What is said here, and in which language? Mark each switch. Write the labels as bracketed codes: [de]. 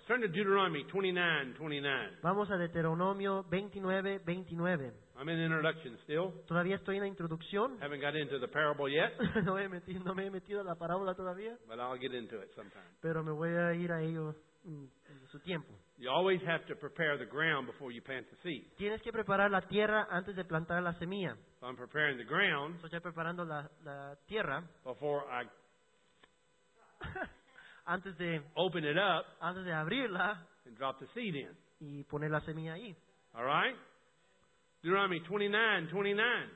[en] Turn to Deuteronomy 29:29. [es] Vamos a Deuteronomio 29:29. [en] I'm in the introduction still. [es] Todavía estoy en la introducción. [en] Haven't got into the parable yet. [es] No me he metido a la parábola todavía. [en] But I'll get into it sometime. [es] Pero me voy a ir a ello en su tiempo. [en] You always have to prepare the ground before you plant the seed. [es] Tienes que preparar la tierra antes de plantar la semilla. [en] So I'm preparing the ground. [es] Estoy preparando la tierra. [en] Before I [es] antes de [en] open it up, [es] antes de abrirla, [en] and drop the seed in, [es] y poner la semilla ahí. [en] All right, Deuteronomy 29:29.